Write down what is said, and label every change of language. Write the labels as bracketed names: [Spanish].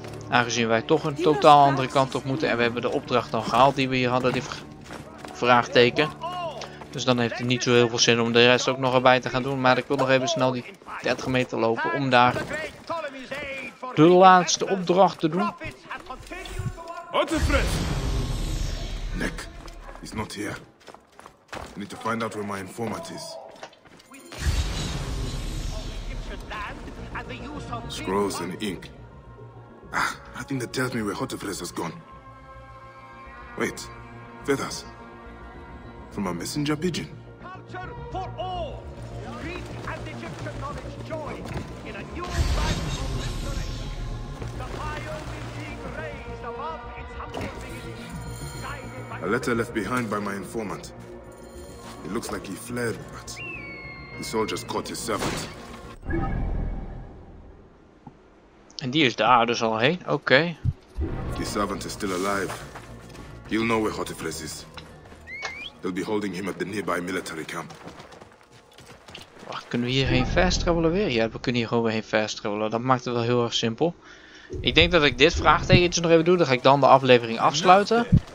[Dutch] Aangezien wij toch een totaal andere kant op moeten en we hebben de opdracht al gehaald die we hier hadden, die vraagteken. Dus dan heeft het niet zo heel veel zin om de rest ook nog erbij te gaan doen. Maar ik wil nog even snel die 30 meter lopen om daar de laatste opdracht te doen. [English] Otterfred! Nek is not here. I need to find out where my informant is. Scrolls and ink. Ah, I think that tells me where Hotefres has gone. Wait, feathers. From a messenger pigeon. Culture for all! Greek and Egyptian knowledge join in a new life of restoration. The pile is being raised above its humble beginning. A letter left behind by my informant. It looks like he fled, but the soldiers caught his servant. [Dutch] En die is daar dus al heen. Oké. Okay. [English] The servant is still alive. He'll know where Hotefres is. They'll be holding him at the nearby military camp. [Dutch] Wacht, kunnen we hierheen fast travelen weer? Ja, we kunnen hier gewoon weer heen fast travelen. Dat maakt het wel heel erg simpel. Ik denk dat ik dit vraagtekentje nog even doe. Dan ga ik dan de aflevering afsluiten.